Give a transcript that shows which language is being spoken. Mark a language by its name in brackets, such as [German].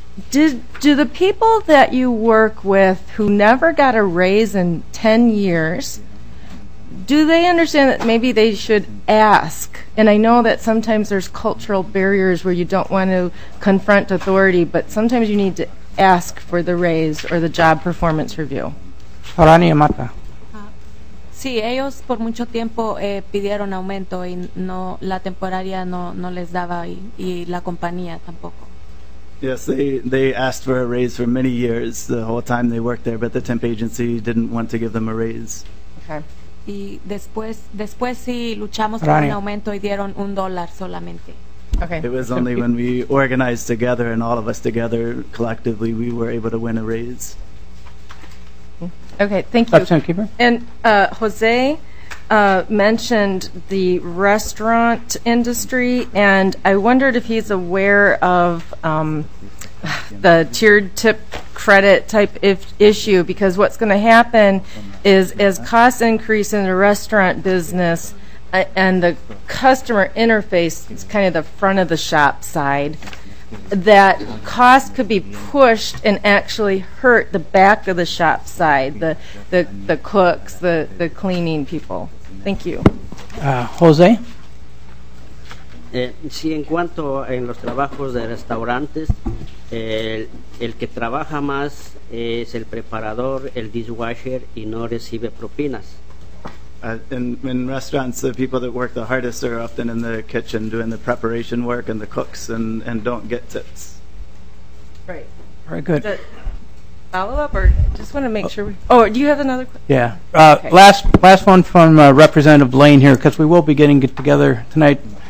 [English] Do the people that you work with who never got a raise in 10 years, do they understand that maybe they should ask? And I know that sometimes there's cultural barriers where you don't want to confront authority, but sometimes you need to ask for the raise or the job performance review. Herania Mata. [Spanish] Sí, ellos por mucho tiempo pidieron aumento y no la temporaria no les daba y la compañía tampoco. [English] Yes, they asked for a raise for many years, the whole time they worked there, but the temp agency didn't want to give them a raise. [Spanish] Okay. Y después sí luchamos por un aumento y dieron un dólar solamente. [English] Okay. It was only when we organized together and all of us together collectively we were able to win a raise. Okay, thank you. Upstairs, keeper. And Jose mentioned the restaurant industry, and I wondered if he's aware of the tiered tip credit type issue, because what's going to happen is as costs increase in the restaurant business and the customer interface is kind of the front of the shop side, that cost could be pushed and actually hurt the back of the shop side, the cooks, the cleaning people. Thank you. Jose? [Spanish] Sí, en cuanto en los trabajos de restaurantes, el que trabaja más es el preparador, el dishwasher, y no recibe propinas. [English] In restaurants, the people that work the hardest are often in the kitchen doing the preparation work, and the cooks, and don't get tips. Right. Very good. Follow-up, or just want to make sure. Oh, do you have another question? Yeah. Okay. Last one from Representative Lane here, because we will be getting together tonight.